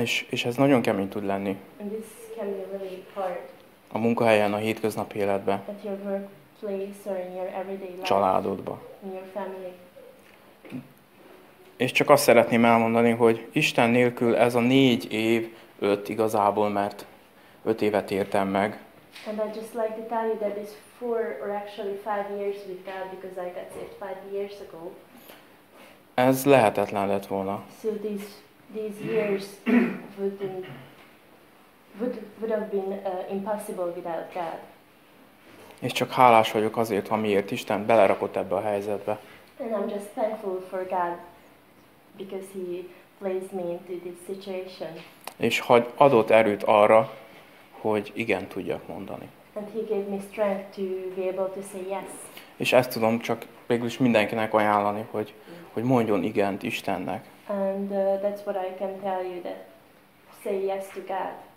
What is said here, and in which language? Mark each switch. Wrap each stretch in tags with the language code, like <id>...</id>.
<hu>És ez nagyon kemény tud lenni.</hu> <en>And this can be really hard.</en> <hu>A munkahelyen, a hétköznapi életben.</hu> <en>At your workplace or in your everyday life.</en> <hu>Családodba.</hu> <en>In your family.</en> <hu>És csak azt szeretném elmondani, hogy Isten nélkül ez a 4 év, 5 igazából, mert 5 évet értem meg.</hu> <en>And I just like to tell you that it's 4 or actually 5 years with God because I got saved 5 years ago.</en> <hu>Ez lehetetlen lett volna.</hu> <en>So these years would have been impossible without God.</en> <hu>És csak hálás vagyok azért, amiért Isten belerakott ebbe a helyzetbe.</hu> <en>And I'm just thankful for God because he placed me into this situation.</en> <hu>És hogy adott erőt arra, hogy igen tudjak mondani.</hu> <en>And he gave me strength to be able to say yes.</en> <hu>És ezt tudom csak végülis mindenkinek ajánlani, hogy mondjon igent Istennek.</hu> <en>And that's what I can tell you, that say yes to God.</en>